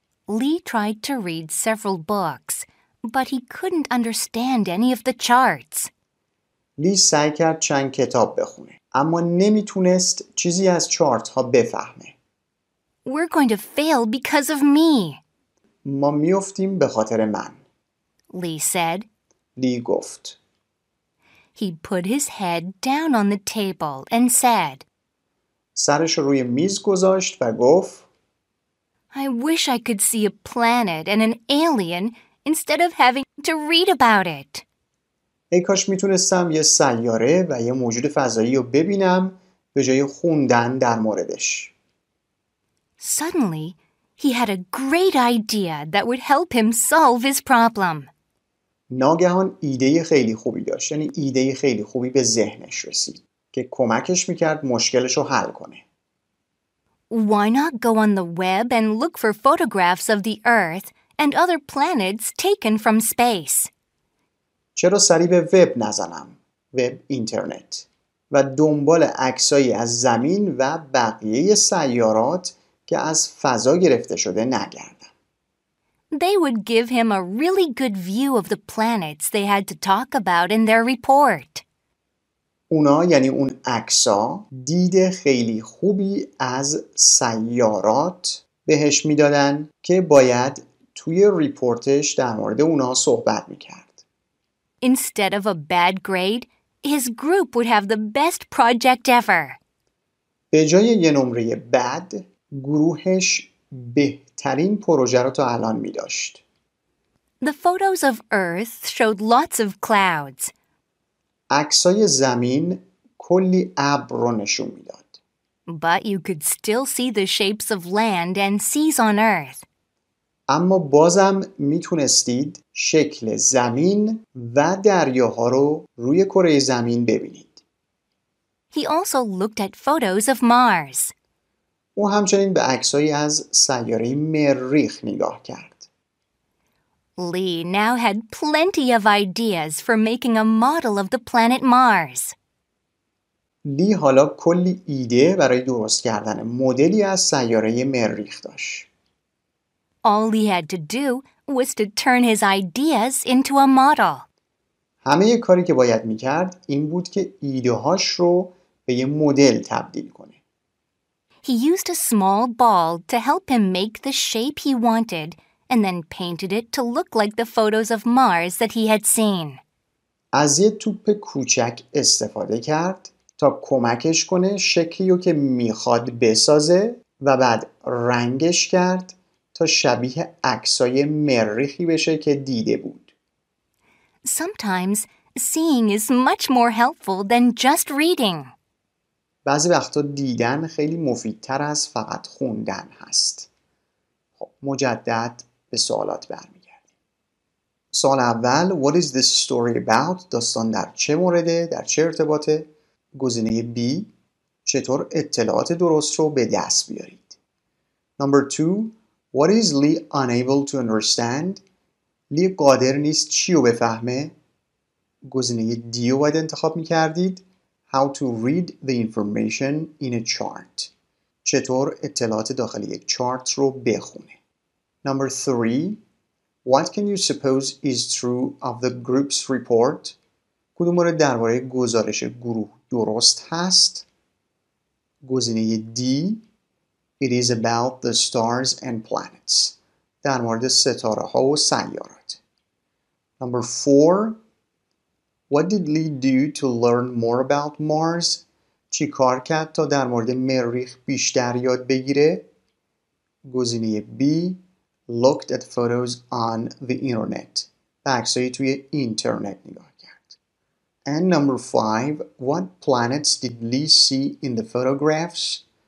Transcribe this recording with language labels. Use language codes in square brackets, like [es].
[en] Lee tried to read several books, but he couldn't understand any of the charts. [fa] لی سعی کرد چند کتاب بخونه، اما نمیتونست چیزی از چارت ها بفهمه. [en] We're going to fail because of me. [fa] ما میفتیم به خاطر من. [en] Lee said. [fa] لی گفت. [en] He put his head down on the table and said. [fa] سرش روی میز گذاشت و گفت [en] I wish I could see a planet and an alien instead of having to read about it. [fa] ای کاش میتونستم یه سیاره و یه موجود فضایی رو ببینم به جای خوندن در موردش. [en] Suddenly, he had a great idea that would help him solve his problem. [fa] ناگهان ایده خیلی خوبی داشت، یعنی ایده خیلی خوبی به ذهنش رسید که کمکش میکرد مشکلش رو حل کنه. [en] Why not go on the web and look for photographs of the Earth and other planets taken from space? [fa] چرا سری به وب نزنم؟ وب اینترنت. و دنبال عکسایی از زمین و بقیه سیارات که از فضا گرفته شده نگردم. [en] They would give him a really good view of the planets they had to talk about in their report. [fa] اونا یعنی اون عکس‌ها دید خیلی خوبی از سیارات بهش میدادن که باید توی ریپورتش در مورد اونا صحبت میکرد. [en] Instead of a bad grade, his group would have the best project ever. [fa] به جای یه نمره بد، گروهش بهترین پروژه رو تا الان میداشت. [en] The photos of Earth showed lots of clouds. [fa] عکسای زمین کلی ابر رو نشون میداد. [en] But you could still see the shapes of land and seas on earth. [fa] اما بازم میتونستید شکل زمین و دریاها رو روی کره زمین ببینید. [en] He also looked at photos of Mars. [fa] او همچنین به عکسای از سیاره مریخ نگاه کرد. [en] Lee now had plenty of ideas for making a model of the planet Mars. [fa] Lee حالا کلی ایده برای درست کردن مدلی از سیاره مریخ داشت. [en] All he had to do was to turn his ideas into a model. [fa] همه کاری که باید می‌کرد این بود که ایده‌هاش رو به یه مدل تبدیل کنه. [en] He used a small ball to help him make the shape he wanted. And then painted it to look like the photos of Mars that he had seen. [fa] از یه توپ کوچک استفاده کرد تا کمکش کنه شکلی رو که میخواد بسازه و بعد رنگش کرد تا شبیه عکسای مریخی بشه که دیده بود. [en] Sometimes seeing is much more helpful than just reading. [fa] بعضی وقتا دیدن خیلی مفیدتر از فقط خوندن هست. خب مجدد به سوالات برمیگردیم. سوال اول، [en] What is this story about؟ [fa] داستان در چه مورده؟ در چه ارتباطه؟ گزینه B، چطور اطلاعات درست رو به دست بیارید؟ [en] Number two، What is Lee unable to understand؟ [fa] لی قادر نیست چی رو بفهمه؟ گزینه D رو باید انتخاب میکردید؟ [en] How to read the information in a chart؟ [fa] چطور اطلاعات داخل یک چارت رو بخونه؟ [en] Number three, what can you suppose is true of the group's report? [fa] کدوم مورد درباره گزارش گروه درست هست؟ گزینه دی [en] It is about the stars and planets. [fa] در مورد ستاره ها و سیارات. [en] Number 4. What did Lee do to learn more about Mars? [fa] چی کار کرد تا در مورد مریخ بیشتر یاد بگیره؟ گزینه B. [en] Looked at photos on the internet. [fa] عکسای توی اینترنت نگاه کرد. [en] And number 5. What planets did Lee see in the photographs?